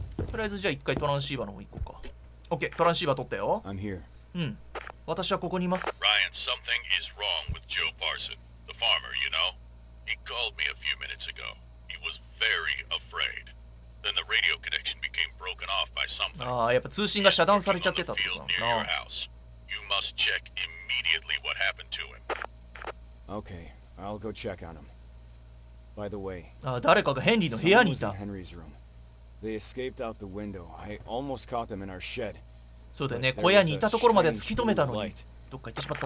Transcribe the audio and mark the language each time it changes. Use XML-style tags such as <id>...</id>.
<ja>とりあえずじゃあ一回トランシーバーの方行こうか。オッケー、トランシーバー取ったよ。</ja> <en>I'm here.</en> <ja>うん。私はここにいます。</ja> <en>Ryan, something is wrong with Joe Parson, the farmer, you know? He called me a few minutes ago. He was very afraid. Then the radio connection became broken off by something.</en> <ja>ああ、やっぱ通信が遮断されちゃってたってことなんだ。</ja> <en>You must check immediately what happened to him. Okay, I'll go check on him. By the way,</en> <ja>誰かがヘンリーの部屋にいた。</ja> <en>Henry's room. They escaped out the window. I almost caught them in our shed.</en> <ja>そうだね、小屋にいたところまで突き止めたのに、どっか行ってしまった。</ja>